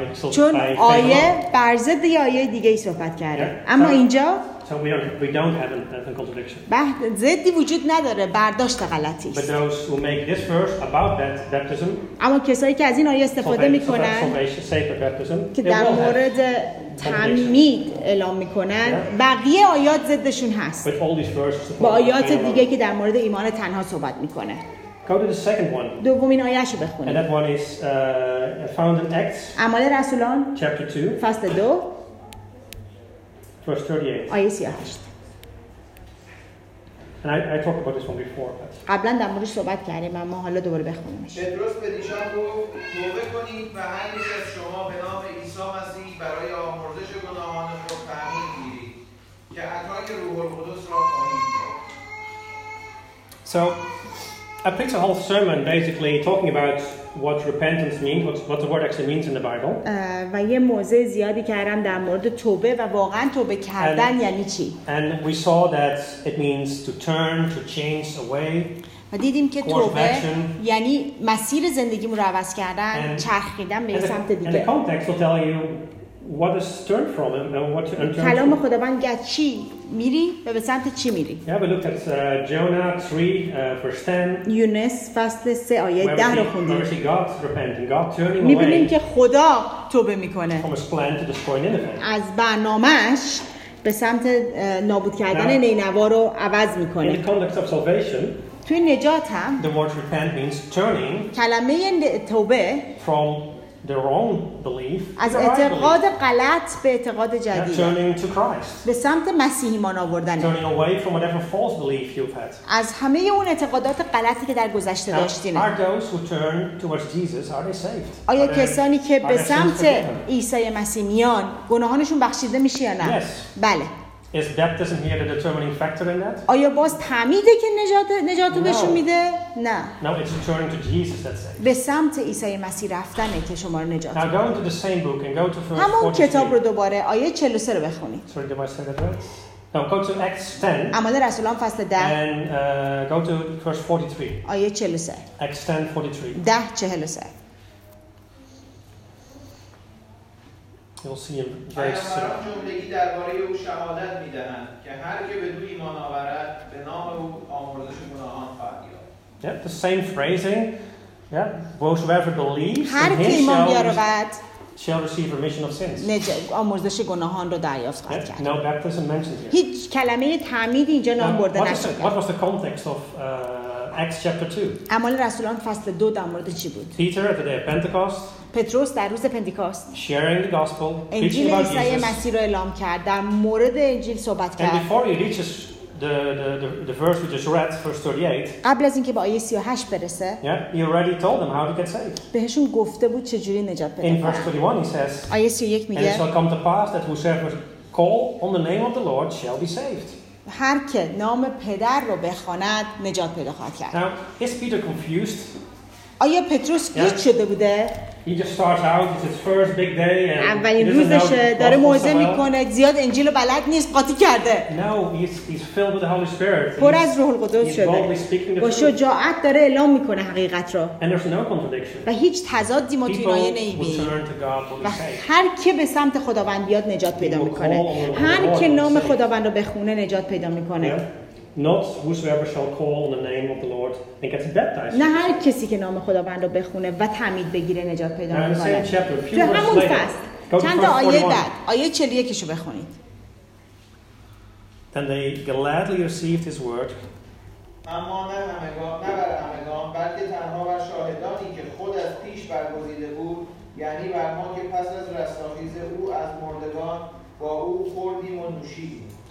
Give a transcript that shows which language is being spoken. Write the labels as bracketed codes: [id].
[fa] چون آیه بر ضد آیه دیگه ای صحبت کرده. [en] Yeah. [fa] اما [en] so, [fa] اینجا [en] So we don't have a contradiction. [fa] بعد ضدی وجود نداره، برداشت غلطی است. [en] But those who make this verse about that baptism. [fa] اما کسایی که از این آیه استفاده میکنن که در مورد تعمید اعلام میکنن بقیه آیات ضدشون هست. [en] But all these verses [fa] با آیات دیگه که در مورد ایمان تنها صحبت میکنه. [en] Go to the second one. [fa] دومین آیه رو بخونید. [en] And that one is found in Acts. [fa] اعمال رسولان. [en] Chapter 2. [fa] فصل 2. [en] Verse 38. And I talked about this one before. [fa] قبلا در موردش صحبت کردیم اما حالا دوباره بخونیمش. پتروس به دیشان گفت: توبه کنید و هر یک از شما به نام عیسی مسیح برای آمرزش گناهان خود تعمید گیرید که عطای روح القدس را خواهید یافت. [en] So, I preached a whole sermon basically talking about what repentance means, what the word actually means in the Bible. [fa] و یه موزه زیادی کردم در مورد توبه و واقعا توبه کردن یعنی چی. [en] And we saw that it means to turn, to change away. [fa] و دیدیم که توبه یعنی مسیر زندگیمو رو عوض کردن، چرخیدن به یه سمت دیگه. [en] And the context will tell you what is turned from and what to unturn. [fa] کلام خداوند گه چی میری و به سمت چی میری. [en] Yeah, we looked at Jonah 3 verse 10. [fa] یونس فصل 3 آیه 10 رو خوندیم. [en] Where God repenting, God turning away. [fa] میبینیم که خدا توبه میکنه. [en] From his plan to destroy Nineveh. [fa] از برنامه‌اش به سمت نابود کردن نینوا رو عوض میکنه. [en] In the context of salvation. [fa] توی نجات هم. [en] The word repent means turning. [fa] کلمه توبه. [en] From the wrong belief [fa] از اعتقاد غلط به اعتقاد جدید [en] turning to Christ [fa] به سمت مسیح ایمان آوردن [en] turning away from whatever false belief you've had [fa] از همه اون اعتقادات غلطی که در گذشته داشتین [en] are those who turn towards Jesus are they saved [fa] آیا کسانی که به سمت عیسی مسیح میان گناهانشون بخشیده میشه یا نه [en] yes. [fa] بله [en] is baptism here the determining factor in that [fa] آیا باز تعمیده که نجاتو بهشون میده نه [en] no it's returning to Jesus that's it [fa] به سمت عیسی مسیح رفتنه که شما رو نجات میده [en] now go into the same book and go to [fa] همون کتاب رو دوباره آیه 43 رو بخونید [en] sorry did I say that right Now go to Acts 10. [fa] اما در رسولان فصل 10. [en] And go to verse 43. [fa] آیه 43. [en] Acts 10 43. 10 43. You'll see him very soon. [fa] پیامبران جملگی درباره او شهادت می‌دهند که هر که به دوی ایمان آورد به نام او آمرزش گناهان خواهد یافت. [en] Yeah, the same phrasing. Yeah, whosoever believes [fa] هر که ایمان بیاورد [en] shall receive remission of sins. [fa] آمرزش گناهان را دریافت خواهد کرد. [en] No baptism mentioned here. [fa] هیچ کلمه تعمید اینجا نام برده نشده. [en] What was the context of Acts chapter 2? [fa] اعمال رسولان فصل 2 در مورد چی بود؟ [en] Peter at the day of Pentecost. [fa] پتروس در روز پندیکاست [en] sharing the gospel, [fa] انجیل عیسی مسیح را اعلام کرد، در مورد انجیل صحبت کرد. [en] Before he reaches the verse we just read, verse 38, [fa] قبل از اینکه به آیه 38 برسه، [en] yeah, he already told them how to get saved. [fa] بهشون گفته بود چجوری نجات پیدا کنند. [en] In verse 41 he says, [fa] آیه 31 میگه، [en] and it shall come to pass that whosoever call on the name of the Lord shall be saved. [fa] هر که نام پدر را بخواند نجات پیدا خواهد کرد. [en] Now is Peter confused? [fa] آیا پتروس گیج [en] yeah. [fa] شده بوده؟ [en] He just starts out. It's his first big day, [fa] اولین روزشه. داره موعظه میکنه. زیاد انجیل بلد نیست. قاطی کرده. [en] No, he's filled with the Holy Spirit. [fa] پر از روح القدس شده. [en] He's boldly speaking the truth. [fa] با شجاعت داره اعلام میکنه حقیقت رو. [en] And there's no contradiction. [fa] و هیچ تضادی ما توی آیه نمیبینیم. [en] People will turn to God. [fa] و هر که به سمت خداوند بیاد نجات پیدا میکنه. هر که نام خداوند رو بخونه نجات پیدا میکنه. [en] Not whosoever shall call on the name of the Lord and gets baptized. [fa] نه هر کسی که نام خداوند رو بخونه و تعمید بگیره نجات پیدا می‌کنه. [en] Same chapter, few verses later. [fa] چند تا آیه بعد، آیه 41 رو بخونید. [en] Then they gladly received his word. [fa] اما نه همگان، نه بر همگان، بلکه تنها بر شاهدانی که خود از پیش برگزیده بود، یعنی بر ما که پس از رستاخیز او از مردگان با او خوردیم و نوشیدیم.